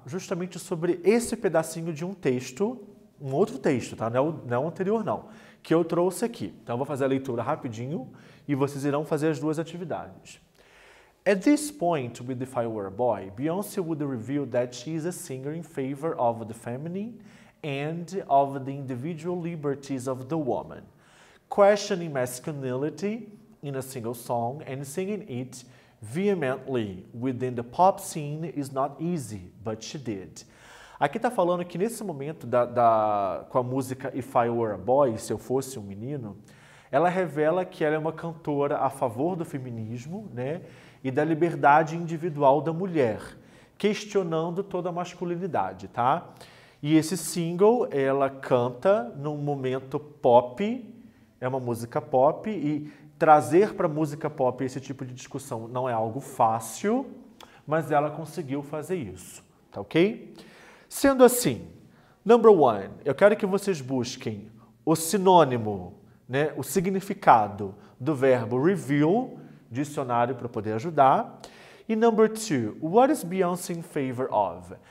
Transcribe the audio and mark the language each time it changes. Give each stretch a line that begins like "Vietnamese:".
Portuguese: Justamente sobre esse pedacinho de um texto, um outro texto, tá? Não é o anterior, não. Que eu trouxe aqui. Então, eu vou fazer a leitura rapidinho e vocês irão fazer as duas atividades.
English: At this point with the Firework Boy, Beyoncé would reveal that she is a singer in favor of the feminine and of the individual liberties of the woman. Questioning masculinity in a single song and singing it vehemently within the pop scene is not easy, but she did.
Portuguese: Aqui tá falando que nesse momento com a música If I Were a Boy, Se Eu Fosse um Menino, ela revela que ela é uma cantora a favor do feminismo, né, e da liberdade individual da mulher, questionando toda a masculinidade, tá? E esse single, ela canta num momento pop, é uma música pop, e trazer para a música pop esse tipo de discussão não é algo fácil, mas ela conseguiu fazer isso, tá ok? Sendo assim,
English: number one,
Portuguese: eu quero que vocês busquem o sinônimo, né, o significado do verbo reveal, dicionário para poder ajudar.
English: E number two, what is Beyoncé in favor of?